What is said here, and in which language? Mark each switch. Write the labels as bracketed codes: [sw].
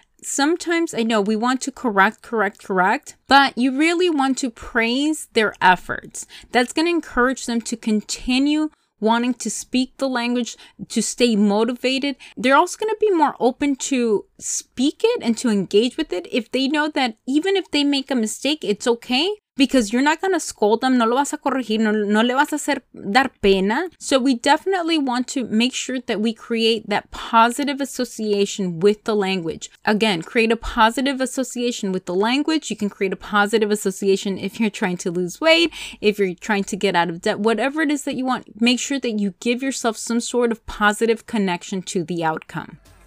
[en] Sometimes I know we want to correct, but you really want to praise their efforts. That's going to encourage them to continue wanting to speak the language, to stay motivated. They're also going to be more open to speak it and to engage with it if they know that even if they make a mistake, it's okay because you're not going to scold them. [es] No lo vas a corregir, no le vas a hacer dar pena. [en] So we definitely want to make sure that we create that positive association with the language. Again, create a positive association with the language. You can create a positive association if you're trying to lose weight, if you're trying to get out of debt, whatever it is that you want, make sure that you give yourself some sort of positive connection to the outcome.